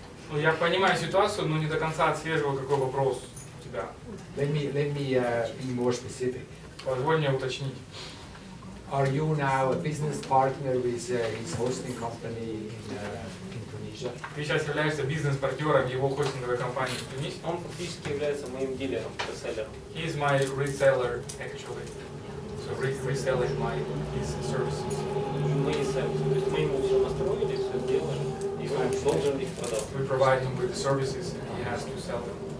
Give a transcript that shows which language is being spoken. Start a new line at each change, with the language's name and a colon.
Russian: Ну, я понимаю ситуацию, но не до конца отслеживаю, какой вопрос у тебя.
English: Let me be more specific.
Russian: Позволь мне уточнить.
English: Are you now a business partner with his hosting company in Tunisia?
Russian: Ты сейчас являешься бизнес-партнером его хостинговой компании в Тунисе? Он фактически является моим дилером, реселлером.
English: He is my reseller, actually. So reselling my his services.
Russian: Мы ему все настроили, все сделали.
English: We provide him with the services, and he has to sell them.